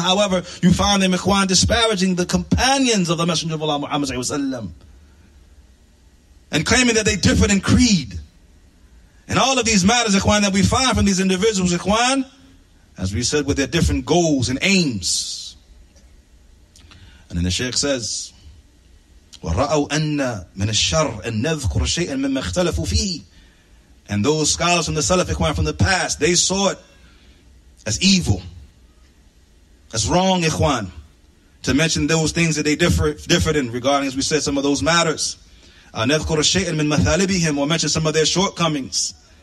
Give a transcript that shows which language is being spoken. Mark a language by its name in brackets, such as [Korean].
[English] However, you find them, Ikhwan, disparaging the companions of the Messenger of Allah, Muhammad SAW. And claiming that they differed in creed. And all of these matters, Ikhwan, that we find from these individuals, Ikhwan, as we said, with their different goals and aims. And then the Shaykh says, [Arabic] وَرَأَوْ أَنَّ مِنَ الشَّرِّ أَن نَذْكُرَ شَيْئًا مِمَّا اخْتَلَفُوا فِيهِ. [English] And those scholars from the Salaf, Ikhwan, from the past, they saw it as evil, as wrong, Ikhwan, to mention those things that they differed in regarding, as we said, some of those matters. [Arabic] نَذْكُرَ شَيْئًا مِنْ مَثَالِبِهِمْ, [English] or mention some of their shortcomings.